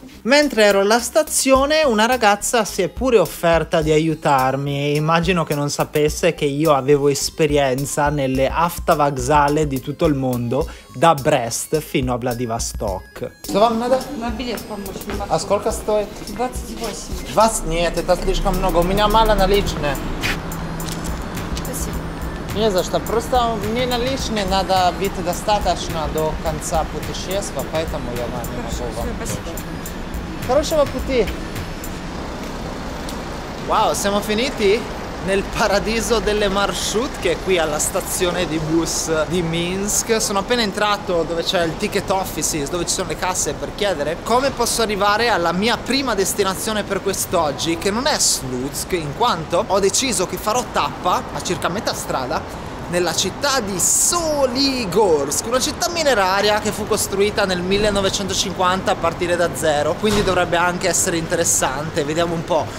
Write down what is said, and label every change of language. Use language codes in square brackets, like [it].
[it] Mentre ero alla stazione, una ragazza si è pure offerta di aiutarmi. Immagino che non sapesse che io avevo esperienza nelle autovokzale di tutto il mondo, da Brest fino a Vladivostok. [ru] Dove vam надо? На билет помощь. А сколько стоит? 28. 20? Нет, это слишком много. У меня мало наличные. Спасибо. Не за что. Просто мне наличные надо быть достаточно до конца путешествия, поэтому я вам не могу. Хорошо, вам спасибо. Хорошего пути! [it] Wow, siamo finiti nel paradiso delle marshrutke qui alla stazione di bus di Minsk. Sono appena entrato dove c'è il ticket office, dove ci sono le casse, per chiedere come posso arrivare alla mia prima destinazione per quest'oggi, che non è Slutsk, in quanto ho deciso che farò tappa a circa metà strada nella città di Soligorsk, una città mineraria che fu costruita nel 1950 a partire da zero, quindi dovrebbe anche essere interessante. Vediamo un po'.